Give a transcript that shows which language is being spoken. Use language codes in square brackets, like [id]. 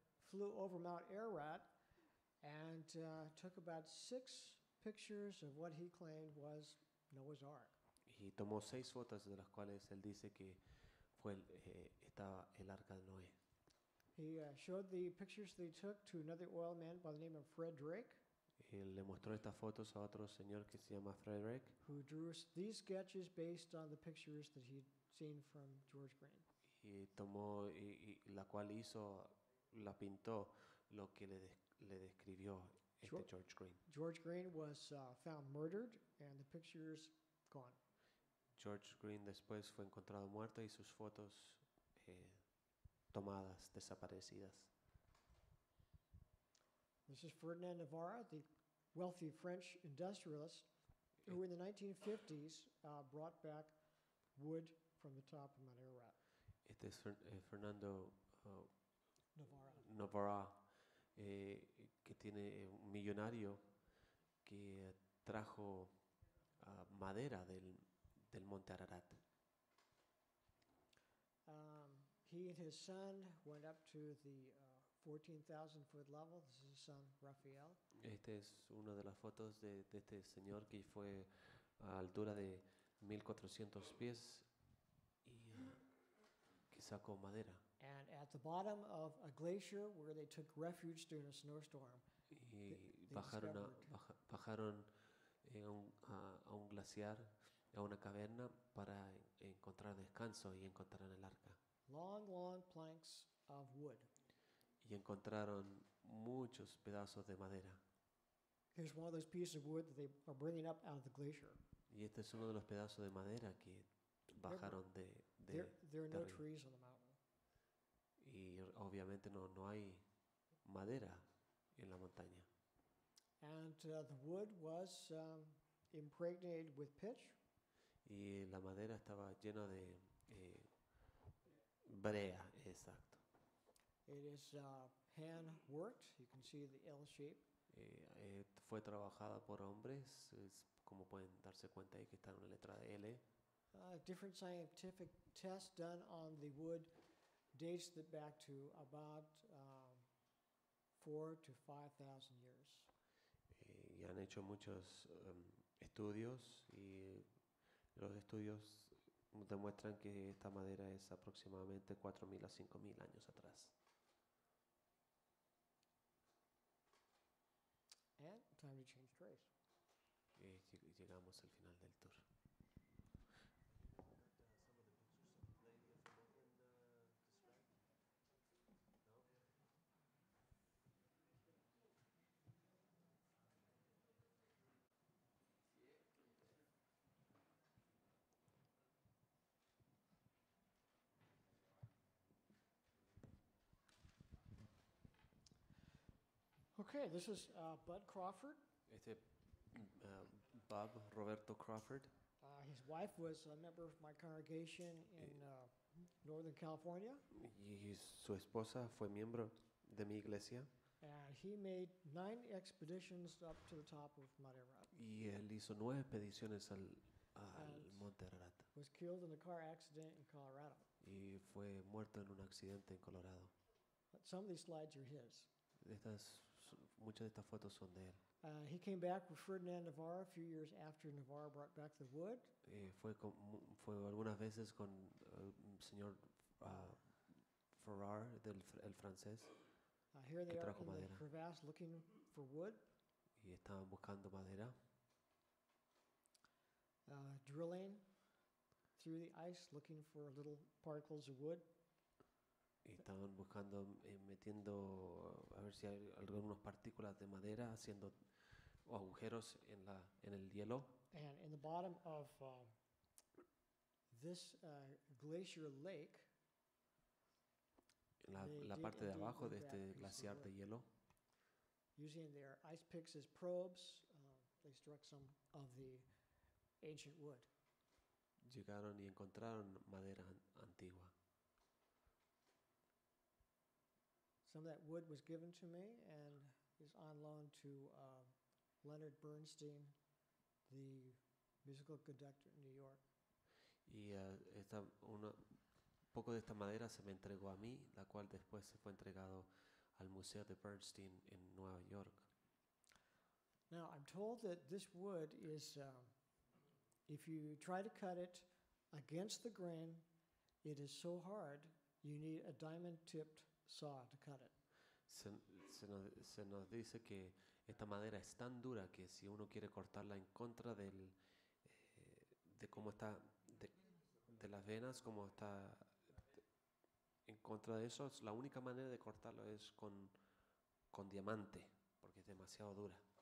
[en] Flew over Mount Ararat and took about 6 pictures of what he claimed was Noah's Ark. [es] Y tomó 6 fotos de las cuales él dice que fue estaba el arca de Noé. [en] He showed the pictures they took to another oil man by the name of Fred Drake. [es] Él le mostró estas fotos a otro señor que se llama Frederick. [en] Who drew these sketches based on the pictures that he'd seen from George Green. [es] Y tomó y la cual hizo la pintó lo que le describió George Green. [en] George Green was found murdered and the pictures gone. [es] George Green después fue encontrado muerto y sus fotos tomadas, desaparecidas. [en] This is Ferdinand Navarra, the wealthy French industrialist who in the 1950s brought back wood from the top of Mount Ararat. [es] Este es Fernando Navarra. Navarra, que tiene un millonario que trajo madera del Monte Ararat. [en] He and his son went up to the 14,000 foot level. This is his son, Rafael. [es] Este es una de las fotos de este señor que fue a altura de 1,400 pies y que sacó madera. [en] And at the bottom of a glacier where they took refuge during a snowstorm. [es] Y bajaron a un glaciar, a una caverna para encontrar descanso y encontraron el arca. [en] Long, long planks of wood. [es] Y encontraron muchos pedazos de madera. [en] Here's one of those pieces of wood that they are bringing up out of the glacier. [es] Y este es uno de los pedazos de madera que bajaron de [en] there are no trees on the mountain. [es] Y obviamente no hay madera en la montaña. [en] And the wood was impregnated with pitch. [es] Y la madera estaba llena de brea, exacto. [en] It is hand worked. You can see the L shape. [es] Fue trabajada por hombres, es como pueden darse cuenta ahí que está en una letra de L. [en] Different scientific tests done on the wood dates it back to about 4,000 to 5,000 years. [es] Y han hecho muchos estudios y los estudios demuestran que esta madera es aproximadamente 4,000 to 5,000 años atrás. [en] And time to change trays. [es] Llegamos al final del tour. [en] Okay, this is Bud Crawford. [es] Este, Bob Roberto Crawford. [en] His wife was a member of my congregation in Northern California. [es] Y su esposa fue miembro de mi iglesia. [en] And he made 9 expeditions up to the top of Mount Ararat. [es] Y él hizo 9 expediciones al Monte Ararat. [en] Was killed in a car accident in Colorado. [es] Y fue muerto en un accidente en Colorado. [en] But some of these slides are his. [es] Muchas de estas fotos son de él. [en] He came back with Ferdinand Navarro a few years after Navarro brought back the wood. [es] Fue algunas veces con señor Farrar el francés. [en] Here they are in the crevasse looking for wood. [es] Y estaban buscando madera. [en] Drilling through the ice looking for little particles of wood. [es] Y estaban buscando, metiendo, a ver si hay algunas partículas de madera, haciendo agujeros en el hielo. [en] And in the bottom of this glacier lake, [es] la parte de abajo de este glaciar de hielo, [en] using their ice picks as probes, they struck some of the ancient wood. [es] Llegaron y encontraron madera antigua. [en] Some of that wood was given to me and is on loan to Leonard Bernstein, the musical conductor in New York. [es] Y esta una poco de esta madera se me entregó a mí, la cual después se fue entregado al Museo de Bernstein en Nueva York. [en] Now, I'm told that this wood is if you try to cut it against the grain, it is so hard, you need a diamond-tipped saw to cut it. [es] Se nos dice que esta madera es tan dura que si uno quiere cortarla en contra del de cómo está de las venas, como está en contra de eso, la única manera de cortarlo es con diamante, porque es demasiado dura.